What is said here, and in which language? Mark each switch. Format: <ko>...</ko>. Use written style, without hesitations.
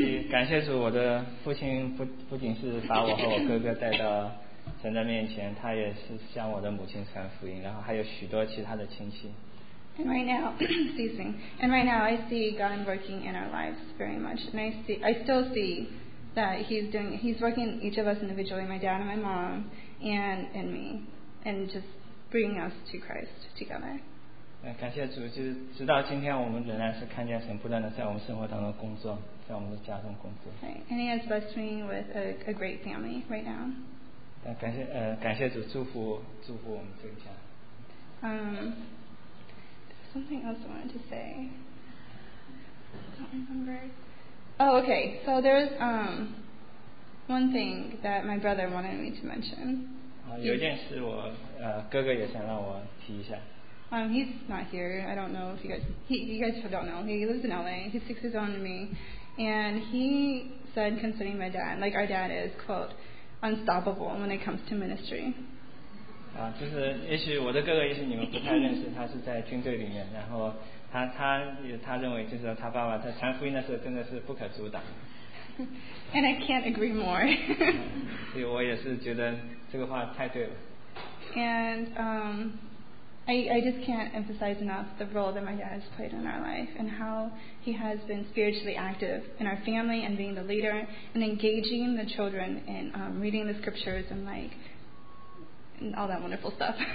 <zh>感谢主，我的父亲不仅是把我和我哥哥带到神的面前，他也是向我的母亲传福音，然后还有许多其他的亲戚。</zh> <en>And right now, excuse me. And right now, I see God working in our lives very much, and I still see that He's working each of us individually, my dad and my mom, and me, and just bringing us to Christ together.</en> <zh>感谢主，就是直到今天，我们仍然是看见神不断的在我们生活当中工作。在我们的家中工作。</zh> <en>Right. And he has blessed me with a great family right now.</en> <zh>感谢主祝福我们这个家。</zh> <en>Something else I wanted to say. I don't remember. Oh, okay. So there's one thing that my brother wanted me to mention.</en> <zh>有一件事我哥哥也想让我提一下。</zh> <en>He's not here. I don't know if you guys don't know. He lives in LA. He's 6 years older than me. And he said concerning my dad, like our dad is, quote, unstoppable when it comes to ministry.</en> <zh>就是也许我的哥哥也许你们不太认识，他是在军队里面，然后他认为就是他爸爸在传福音的时候真的是不可阻挡。</zh> <en>And I can't agree more.</en> <zh>所以我也是觉得这个话太对了。</zh> <en>And I just can't emphasize enough the role that my dad has played in our life and how he has been spiritually active in our family and being the leader and engaging the children in reading the scriptures and like and all that wonderful stuff.</en>